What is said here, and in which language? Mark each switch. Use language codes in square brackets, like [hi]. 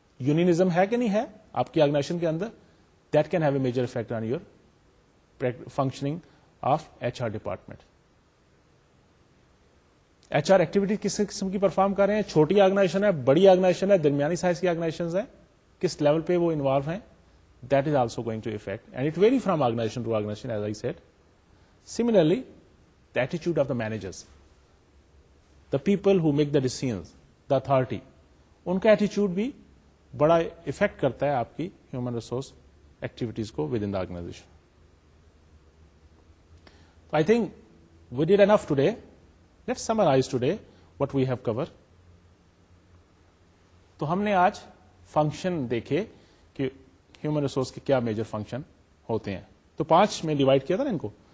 [ur] Unionism ہے کہ نہیں ہے آپ کی آرگنائزیشن کے اندر, [en] That can have a major effect on your functioning of H R department. [ur] H R activity کس قسم کی پرفارم کر رہے ہیں, چھوٹی آرگنائزیشن ہے, بڑی آرگنائزیشن ہے, درمیانی سائز کی آرگنائزیشن ہے, کس لیول پہ وہ انوالو ہیں, [en] That is also going to affect, and it vary from organization to organization as I said. Similarly the ایٹیچیوڈ of the managers, the people who make the decisions, the authority, [ur] ان کا ایٹیچیوڈ بھی بڑا effect کرتا ہے آپ کی human resource activities کو [en] With in the organisation. I think we did enough today, let's summarise today what we have cover. [ur] تو ہم نے آج فنکشن دیکھے کہ ہیومن ریسورس کے کیا میجر فنکشن ہوتے ہیں, تو پانچ میں ڈیوائڈ کیا تھا نا ان کو.